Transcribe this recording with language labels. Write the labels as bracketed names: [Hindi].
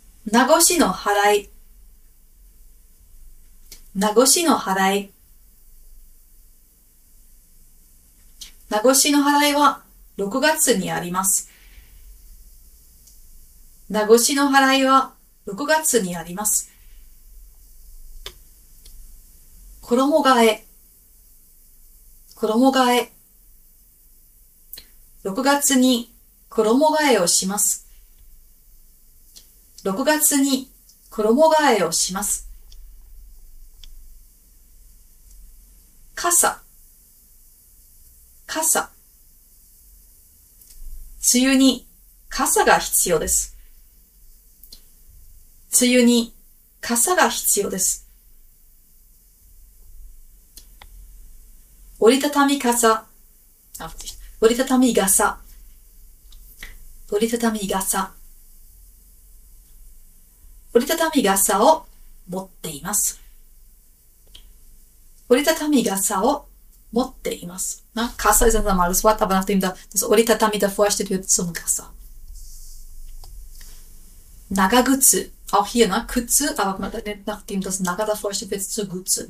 [Japanese] Nagoshi no harai. Nagoshi no harai. Nagoshi no harai wa 6月にあります。名護市の払いは6月にあります。衣替え、衣替え、6月に衣替えをします。 6月に衣替えをします。傘、傘、梅雨に傘が必要です。梅雨に傘が必要です。折りたたみ傘、折りたたみ傘、折りたたみ傘、折りたたみ傘を持っています。折りたたみ傘を持っています。 [German] Na, Kassa ist ein normales Wort, aber nachdem da das Oritatami davor steht, wird es zum Kassa. Nagagutsu. Auch hier, ne? Kutsu, aber nachdem das Naga davor steht, wird es zu Gutsu.